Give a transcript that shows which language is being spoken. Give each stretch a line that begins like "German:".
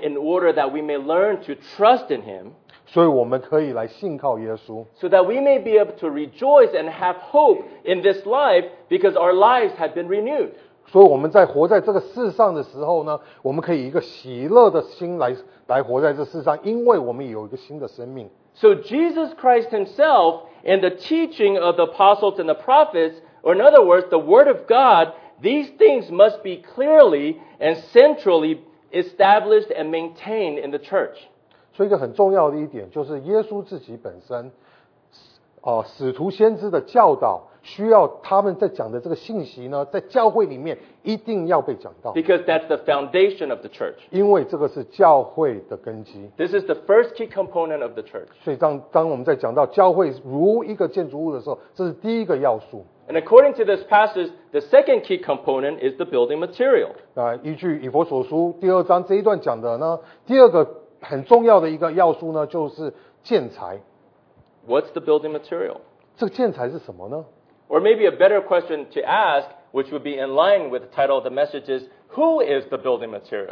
English: in order that we may learn to trust in him.
Chinese: 所以我们可以来信靠耶稣,
English: so that we may be able to rejoice and have hope in this life because our lives have been renewed.
Chinese: 所以我们在活在这个世上的时候呢, 我们可以一个喜乐的心来活在这世上, 因为我们有一个新的生命。
English: So Jesus Christ himself and the teaching of the apostles and the prophets Or in other words, the Word of God, these things must be clearly and centrally established and maintained in the church.
Chinese: 所以一个很重要的一点就是耶稣自己本身使徒先知的教导需要他们在讲的这个信息呢在教会里面一定要被讲到。
English: Because that's the foundation of the church.
Chinese: 因为这个是教会的根基。
English: This is the first key component of the church.
Chinese: 所以当我们在讲到教会如一个建筑物的时候这是第一个要素。
English: And according to this passage, the second key component is the building material.
Chinese: 依据以弗所书第二章这一段讲的呢第二个很重要的一个要素呢就是建材。
English: What's the building material?
Chinese: 这个建材是什么呢?
English: Or maybe a better question to ask, which would be in line with the title of the message is, who is the building material?